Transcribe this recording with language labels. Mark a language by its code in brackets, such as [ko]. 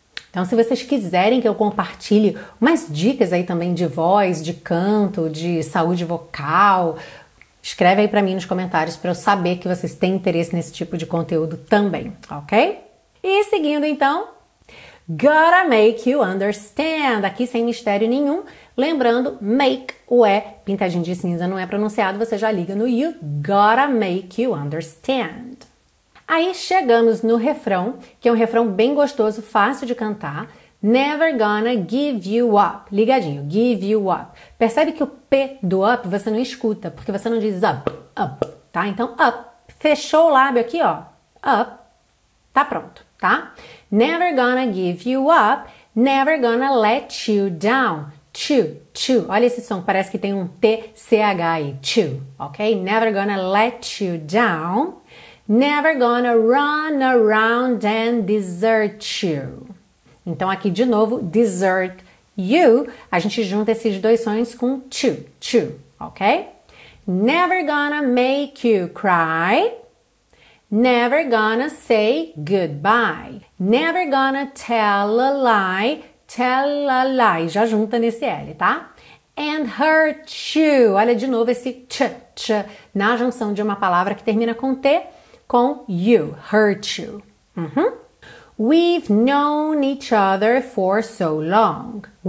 [pt] Então, se vocês quiserem que eu compartilhe umas dicas aí também de voz, de canto, de saúde vocal, escreve aí para mim nos comentários para eu saber que vocês têm interesse nesse tipo de conteúdo também, ok? E seguindo então, [en] gotta make you understand. [pt] Aqui sem mistério nenhum. Lembrando, make o E pintadinho de cinza não é pronunciado, você já liga no you. [en] Gotta make you understand. [pt] Aí chegamos no refrão, que é um refrão bem gostoso, fácil de cantar. [en] Never gonna give you up. Ligadinho, give you up. [pt] Percebe que o P do up você não escuta, porque você não diz up, up, tá? Então up. Fechou o lábio aqui, ó. Up. Tá pronto, tá? [en] Never gonna give you up, never gonna let you down. To. [pt] Olha esse som, parece que tem um TCH aí. [en] To, ok? Never gonna let you down, never gonna run around and desert you. [pt] Então aqui de novo, [en] desert you, [pt] a gente junta esses dois sons com to, ok? [en] Never gonna make you cry. Never gonna say goodbye. Never gonna tell a lie. [pt] Já junta nesse L, tá? [en] And hurt you. [pt] Olha de novo esse ch na junção de uma palavra que termina com T, com you. [en] Hurt you. We've known each other for so long.